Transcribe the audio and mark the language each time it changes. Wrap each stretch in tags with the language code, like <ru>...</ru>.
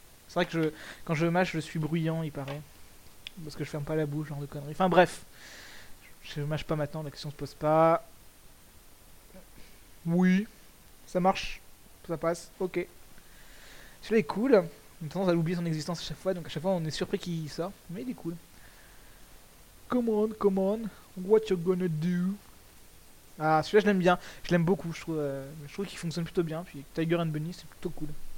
<fr>C'est vrai que quand je mâche, je suis bruyant, il paraît. Parce que je ferme pas la bouche, genre de conneries. Enfin bref, je mâche pas maintenant, la question se pose pas. Oui, ça marche, ça passe, ok. Celui-là est cool, on a tendance à l'oublier son existence à chaque fois, donc à chaque fois on est surpris qu'il sort, mais il est cool.</fr> <en>Come on, what you gonna do?</en> <fr>Ah, celui-là je l'aime bien, je l'aime beaucoup, je trouve qu'il fonctionne plutôt bien, puis Tiger and Bunny c'est plutôt cool.</fr>